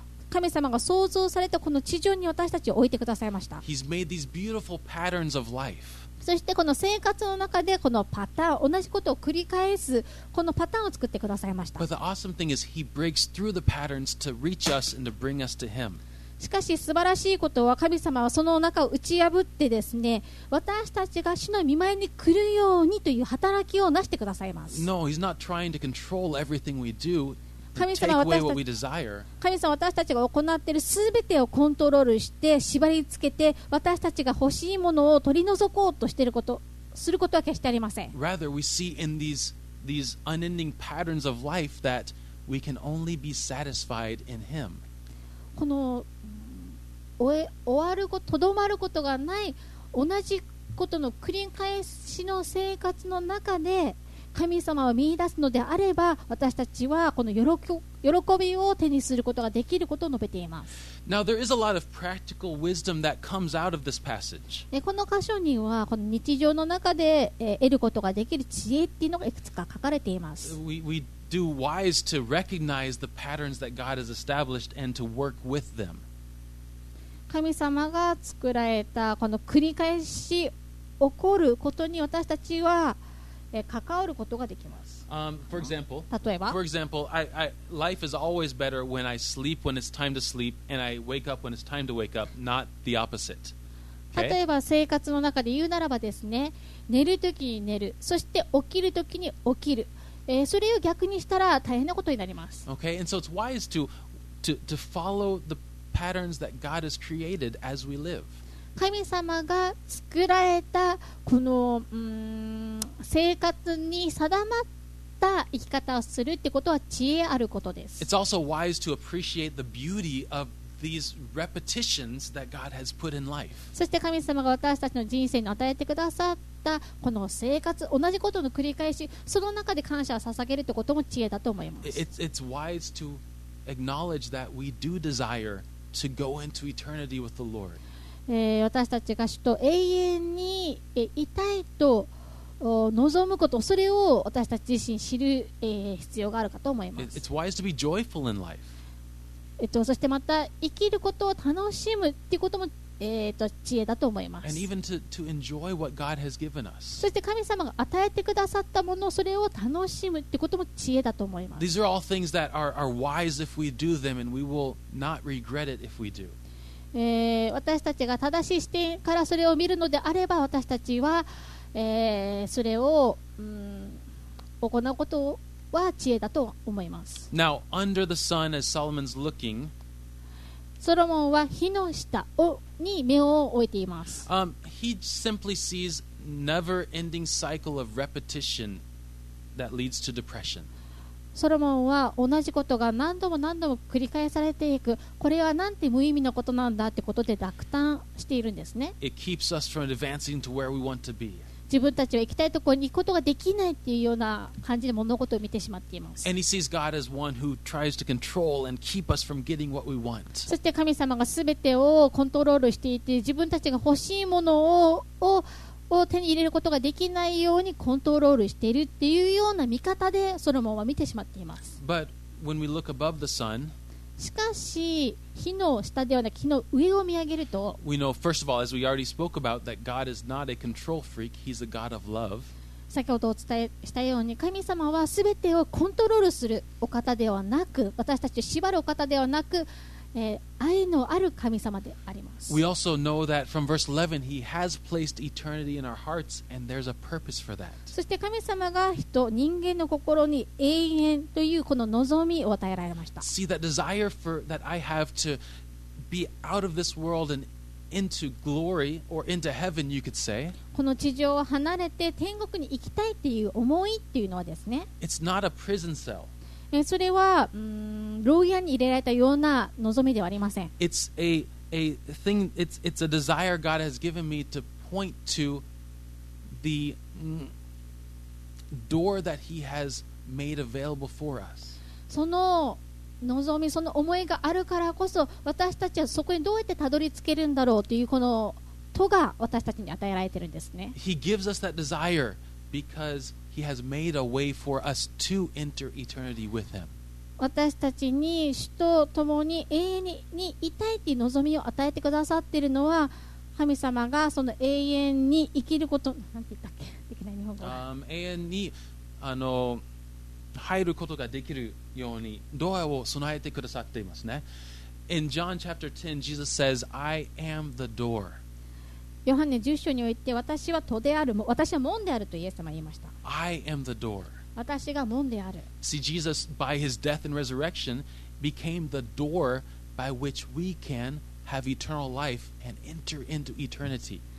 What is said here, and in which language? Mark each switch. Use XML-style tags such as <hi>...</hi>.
<ja>神様が創造されたこの地上に私たちを置いてくださいました。</ja> <en>He's made these beautiful patterns of life.</en> <ja>そしてこの生活の中でこのパターン、同じことを繰り返すこのパターンを作ってくださいました。</ja> <en>But the awesome thing is he breaks through the patterns to reach us and to bring us to him.</en> <ja>しかし素晴らしいことは神様はその中を打ち破ってですね、私たちが主の御前に来るようにという働きをなしてくださいます。</ja> <en>No, he's not trying to control everything we do to take away what we desire.</en> <ja>神様は私たちが行っている全てをコントロールして縛りつけて、私たちが欲しいものを取り除こうとしていること、することは決してありません。</ja> <en>Rather, we see in these unending patterns of life that we can only be satisfied in Him.</en> <ja>この終わること、とどまることがない同じことの繰り返しの生活の中で神様を見出すのであれば、私たちはこの喜びを手にすることができることを述べています。</ja> <en>Now, there is a lot of practical wisdom that comes out of this passage.</en> <ja>この箇所にはこの日常の中で得ることができる知恵っていうのがいくつか書かれています。</ja> <en>We do wise to recognize the patterns that God has established and to work with them.</en> <ja>神様が作られたこの繰り返し起こることに私たちは関わることができます。</ja> <en>For example,</en> <ja>例えば、</ja> <en>for example, I life is always better when I sleep when it's time to sleep and I wake up when it's time to wake up, not the opposite. Okay?</en> <ja>例えば生活の中で言うならばですね、寝るときに寝る、そして起きるときに起きる、それを逆にしたら大変なことになります。</ja> <en>Okay, and so it's wise to follow the patterns that God has created as we live.</en> <ja>神様が作られたこの生活に定まった生き方をするってことは知恵あることです。</ja> <en>It's also wise to appreciate the beauty of these repetitions that God has put in life.</en> <ja>そして神様が私たちの人生に与えてくださったこの生活、同じことの繰り返し、その中で感謝を捧げるってことも知恵だと思います。</ja> <en>It's wise to acknowledge that we do desire to go into eternity with the Lord.</en> <ja>私たちが主と永遠にいたいと望むこと、それを私たち自身知る、必要があるかと思います。</ja> <en>It's wise to be joyful in life.</en> <ja>そしてまた生きることを楽しむっていうことも、知恵だと思います。</ja> <en>And even to enjoy what God has given us.</en> <ja>そして神様が与えてくださったもの、それを楽しむっていうことも知恵だと思います。</ja> <en>These are all things that are wise if we do them, and we will not regret it if we do.</en> <ja>私たちが正しい視点からそれを見るのであれば、私たちはそれを行うことは知恵だと思います。</ja> <en>Now, under the sun, as Solomon's looking,</en> <ja>ソロモンは日の下に目を置いています。</ja> <en>He simply sees never-ending cycle of repetition that leads to depression.</en> <ja>ソロモンは同じことが何度も何度も繰り返されていく、これはなんて無意味なことなんだってことで落胆しているんですね。</ja> <en>It keeps us from advancing to where we want to be.</en> <ja>自分たちは行きたいところに行くことができないっていうような感じで物事を見てしまっています。</ja> <en>And he sees God as one who tries to control and keep us from getting what we want.</en> <ja>そして神様が全てをコントロールしていて、自分たちが欲しいものを手に入れることができないようにコントロールしているっていうような見方でソロモンは見てしまっています。</ja> <en>But when we look above the sun,</en> <ja>しかし日の下ではなく日の上を見上げると、</ja> <en>We know, first of all, as we already spoke about, that God is not a control freak. He's a God of love.</en> <ja>先ほどお伝えしたように、神様は全てをコントロールするお方ではなく、私たちを縛るお方ではなく、愛のある神様であります。</ja> <en>We also know that from verse 11, He has placed eternity in our hearts, and there's a purpose for that.</en> <ja>そして神様が人間の心に永遠というこの望みを与えられました。</ja> <en>See that desire that I have to be out of this world and into glory or into heaven, you could say.</en> <ja>この地上を離れて天国に行きたいっていう思いっていうのはですね、</ja> <en>It's not a prison cell.</en> <ja>それは牢屋に入れられたような望みではありません。</ja> <en>It's a thing. It's a desire God has given me to point to the door that He has made available for us.</en> <ja>その望み、その思いがあるからこそ、私たちはそこにどうやってたどり着けるんだろうというこの戸が私たちに与えられているんですね。</ja> <en>He gives us that desire because. He has made a way for us to enter eternity with Him.</en> <ja>私たちに主と共に永遠にいたいっていう望みを与えてくださっているのは、神様がその永遠に生きること、なんて言ったっけ、できない日本語。永遠に入ることができるようにドアを備えてくださっていますね。</ja> <en>In John chapter 10, Jesus says, "I am the door."</en> <ja>ヨハネ10章において私は戸である、私は門であるとイエス様は言いました。</ja> <en>I am the door.</en> <ja>私が門である。</ja> <en>See, Jesus by his death and resurrection became the door by which we can have eternal life and enter into eternity.</en>